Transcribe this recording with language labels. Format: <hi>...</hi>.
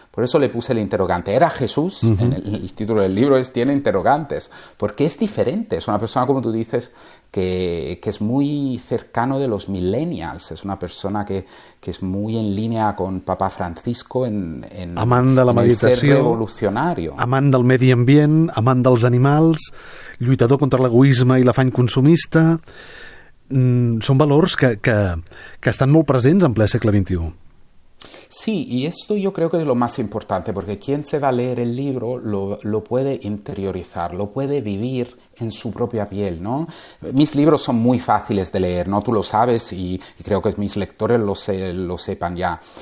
<es>Por eso le puse el interrogante. ¿Era Jesús? En el título del libro tiene interrogantes. Porque es diferente. Es una persona, como tú dices, que es muy cercano de los millennials. Es una persona que es muy en línea con Papa Francisco</es> <ca>Amant de la</ca> <es>en el ser</es> <ca>meditació,</ca> <es>revolucionario.</es> <ca>amant del medi ambient, amant dels animals, lluitador contra l'egoisme i l'afany consumista, són valors que estan molt presents en ple segle XXI.</ca> <es>Sí, y esto yo creo que es lo más importante, porque quien se va a leer el libro lo puede interiorizar, lo puede vivir en su propia piel, ¿no? Mis libros son muy fáciles de leer, ¿no? Tú lo sabes y creo que mis lectores lo sepan ya.</es>